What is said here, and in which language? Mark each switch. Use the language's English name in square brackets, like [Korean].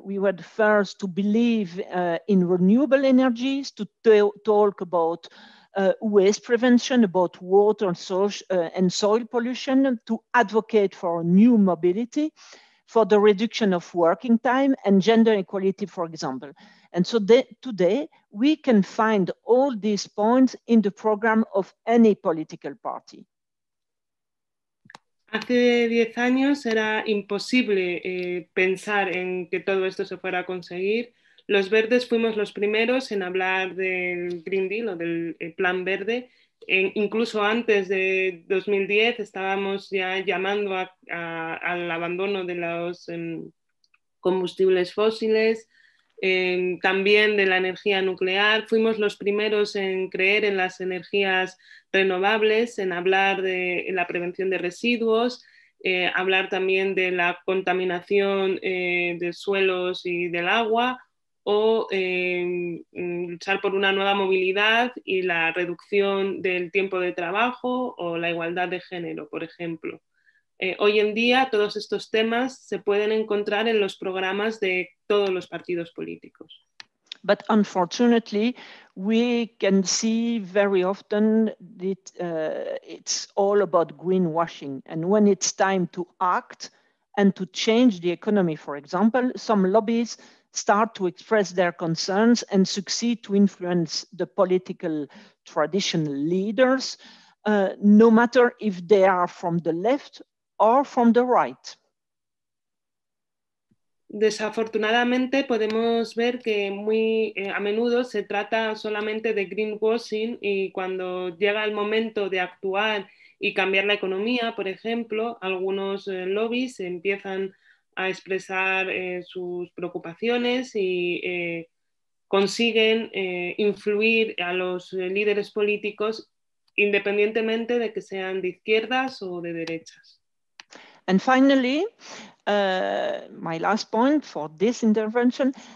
[English] We were the first to believe in renewable energies, to talk about waste prevention, about water and soil pollution, to advocate for new mobility, for the reduction of working time and gender equality, for example. And so today we can find all these points in the program of any political party. [Spanish] Hace 10 años era imposible pensar en que todo esto se fuera a conseguir. Los verdes fuimos los primeros en hablar del Green Deal o del Plan Verde. Incluso antes de 2010 estábamos ya llamando al abandono de los combustibles fósiles, también de la energía nuclear. Fuimos los primeros en creer en las energías renovables, en hablar de la prevención de residuos, hablar también de la contaminación de suelos y del agua, o luchar por una nueva movilidad y la reducción del tiempo de trabajo o la igualdad de género, por ejemplo. Hoy en día todos estos temas se pueden encontrar en los programas de todos los partidos políticos. [English] But unfortunately, we can see very often that it's all about greenwashing. And when it's time to act and to change the economy, for example, some lobbies start to express their concerns and succeed to influence the political traditional leaders, no matter if they are from the left or from the right. [Spanish] Desafortunadamente podemos ver que muy a menudo se trata solamente de greenwashing, y cuando llega el momento de actuar y cambiar la economía, por ejemplo, algunos lobbies empiezan a expresar sus preocupaciones y consiguen influir a los líderes políticos independientemente de que sean de izquierdas o de derechas. [English] And finally, my last point for this intervention.